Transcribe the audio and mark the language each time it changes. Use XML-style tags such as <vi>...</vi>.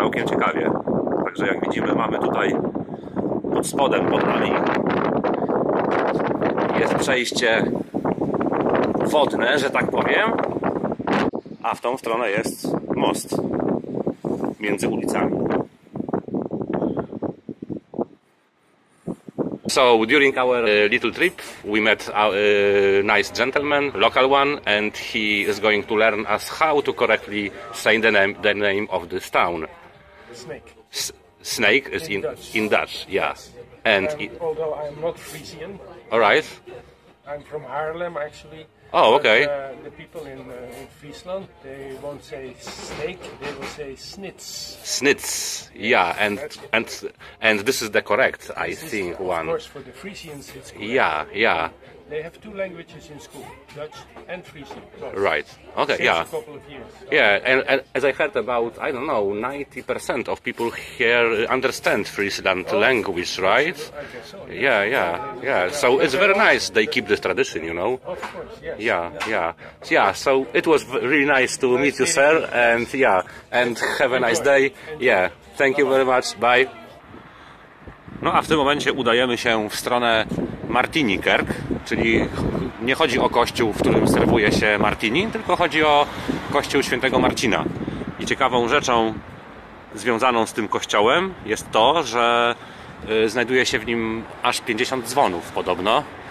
<pl>Ciekawie. Także jak widzimy, mamy tutaj pod spodem, pod nami, jest przejście wodne, że tak powiem, a w tą stronę jest most między ulicami.</pl> <en>So during our little trip we met a nice gentleman, local one, and he is going to learn us how to correctly say the name of this town. Snake is in Dutch, yeah. And although I'm not Frisian, all right, I'm from Haarlem actually. Oh, okay. The people in Friesland, they won't say snake, they will say snitz. Snitz, yeah, and this is the correct, I think, one. Of course, for the Frisians, it's correct. Yeah, yeah. They have two languages in school, Dutch and Friesian. Right, okay, since yeah. Since a couple of years. So yeah, and as I heard about, I don't know, 90% of people here understand Friesland language, right? I guess so. Yes. Yeah, yeah, yeah. So it's very nice they keep this tradition, you know? Of course. Yes. Yeah, yeah, yeah. So it was really nice to meet you, sir, and yeah, and have a nice day. Yeah, thank you very much. Bye.</en> <pl>No a w tym momencie udajemy się w stronę Martinikerk, czyli nie chodzi o kościół, w którym serwuje się martini, tylko chodzi o kościół świętego Marcina. I ciekawą rzeczą związaną z tym kościołem jest to, że znajduje się w nim aż 50 dzwonów podobno.</pl>